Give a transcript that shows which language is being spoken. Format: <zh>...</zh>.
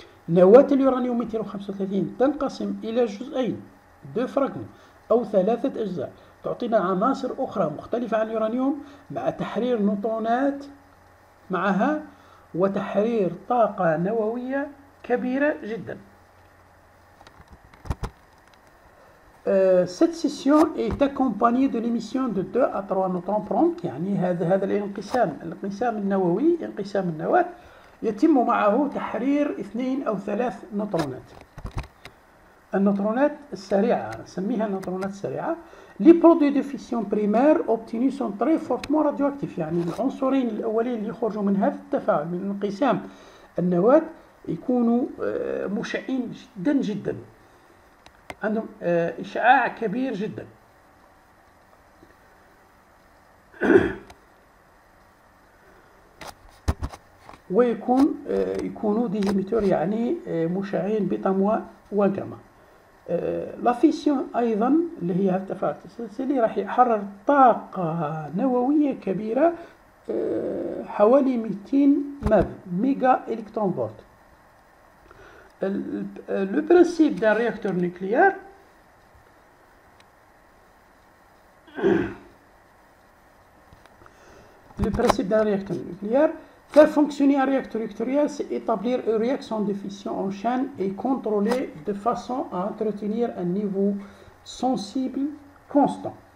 <ar>نواة اليورانيوم 235 تنقسم إلى جزئين دو فراغمون أو ثلاثة أجزاء تعطينا عناصر أخرى مختلفة عن اليورانيوم مع تحرير نوترونات معها وتحرير طاقة نووية كبيرة جدا.</ar> <fr>Cette scission est accompagnée de l'émission de 2 à 3 neutrons prompts.</fr> <ar>يعني هذا الانقسام، الانقسام النووي، انقسام النواة، يتم معه تحرير 2 أو 3 نوترونات. النوترونات السريعة، نسميها النوترونات السريعة.</ar> <fr>Les produits de fission primaire obtenus sont très fortement radioactifs.</fr> <ar>يعني العنصرين الأولين اللي يخرجوا من هذا التفاعل، من انقسام النواة، يكونوا مشعين جدا جدا. عندهم إشعاع كبير جدا. ويكون يكونوا ديزيميتور، يعني مشعين بيتاموا وجاما. لا فيسيون أيضا اللي هي التفاعل التسلسلي راح يحرر طاقة نووية كبيرة حوالي 200 ماذ ميجا إلكترون فولت.</ar> <fr>لو برينسيب دان رياكتور نوكليير le principe d'un réacteur nucléaire, faire fonctionner un réacteur nucléaire, c'est établir une réaction de fission en chaîne et contrôler de façon à entretenir un niveau sensible constant.</fr>